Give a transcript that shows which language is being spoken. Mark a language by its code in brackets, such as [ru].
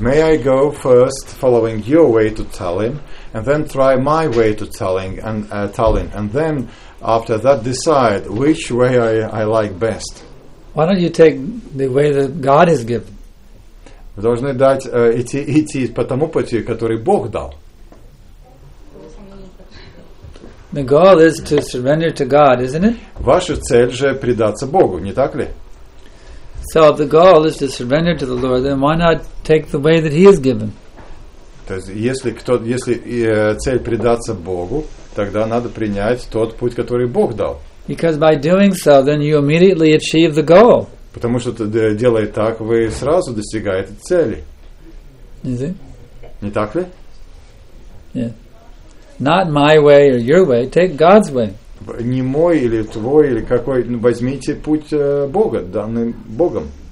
[en] May I go first following your way to Tallinn and then try my way to Tallinn and then after that decide which way I like best. Why don't you take the way that God has given? [ru] Вы должны дать идти по тому пути, который Бог дал. [en] The goal is to surrender to God, isn't it? [ru] Ваша цель же предаться Богу, не так ли? [en] So if the goal is to surrender to the Lord, then why not take the way that He has given? [ru] То есть, если цель предаться Богу, тогда надо принять тот путь, который Бог дал. [en] Because by doing so, then you immediately achieve the goal. [ru] Потому что делая так, вы сразу достигаете цели. [en] Is it? [ru] Не так ли? [en] Yeah. Not my way or your way. Take God's way. [ru] Не мой или твой или какой, возьмите путь Бога, данный Богом.